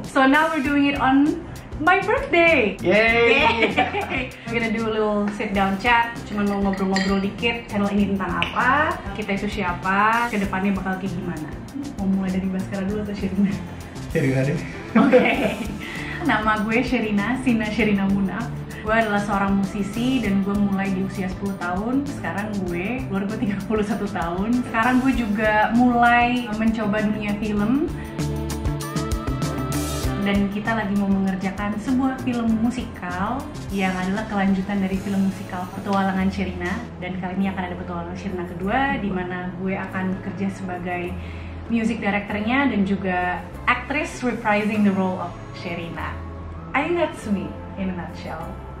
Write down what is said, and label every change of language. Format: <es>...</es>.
<en>So now we're doing it on my birthday. Yay! We're gonna do a little sit down chat.</en> <id>Cuman mau ngobrol-ngobrol dikit. Channel ini tentang apa? Kita itu siapa? Kedepannya bakal kayak gimana? Mau mulai dari Baskara dulu atau Sherina? Sherina deh. Okay. Nama gue Sherina, Sina Sherina Munaf. Gue adalah seorang musisi dan gue mulai di usia 10 tahun. Sekarang gue, luar gue 31 tahun. Sekarang gue juga mulai mencoba dunia film. Dan kita lagi mau mengerjakan sebuah film musikal yang adalah kelanjutan dari film musikal Petualangan Sherina. Dan kali ini akan ada Petualangan Sherina kedua, di mana gue akan bekerja sebagai music director-nya dan juga actress reprising the role of Sherina.</id> <en>I think that's me in a nutshell.</en>